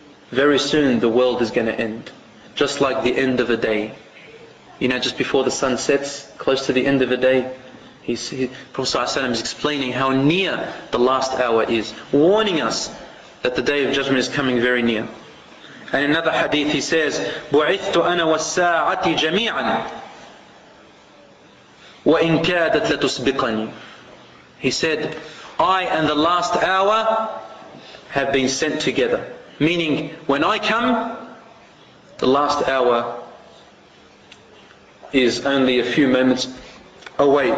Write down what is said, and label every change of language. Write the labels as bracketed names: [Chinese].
[English] Very soon the world is going to end. Just like the end of a day. You know, just before the sun sets, close to the end of a day, Prophet ﷺ is explaining how near the last hour is, warning us that the day of judgment is coming very near. And another hadith he says, [Arabic] بُعِثْتُ أَنَا وَالسَّاعَةِ جَمِيعًا وَإِنْ كَادَتْ لَتُسْبِقَنِي. [English] He said, I and the last hour have been sent together. Meaning, when I come, the last hour is only a few moments away.